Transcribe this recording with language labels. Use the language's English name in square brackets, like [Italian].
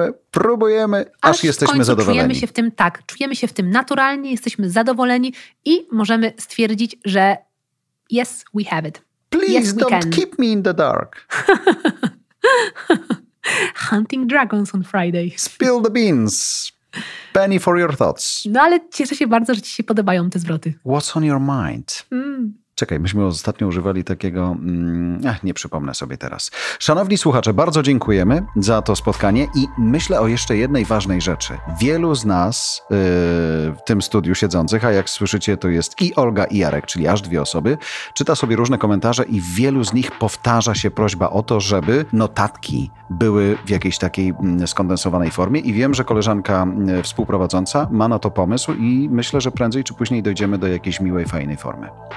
[Polish] Próbujemy, aż jesteśmy zadowoleni. Czujemy się w tym tak, czujemy się w tym naturalnie, jesteśmy zadowoleni i możemy stwierdzić, że [English] yes, we have it. Please yes, don't can. Keep me in the dark. Hunting dragons on Friday. Spill the beans. Penny for your thoughts. [Polish] No ale cieszę się bardzo, że ci się podobają te zwroty. [English] What's on your mind? [Polish] Czekaj, myśmy ostatnio używali takiego... nie przypomnę sobie teraz. Szanowni słuchacze, bardzo dziękujemy za to spotkanie i myślę o jeszcze jednej ważnej rzeczy. Wielu z nas w tym studiu siedzących, a jak słyszycie, to jest i Olga, i Jarek, czyli aż dwie osoby, czyta sobie różne komentarze i w wielu z nich powtarza się prośba o to, żeby notatki były w jakiejś takiej skondensowanej formie i wiem, że koleżanka współprowadząca ma na to pomysł i myślę, że prędzej czy później dojdziemy do jakiejś miłej, fajnej formy.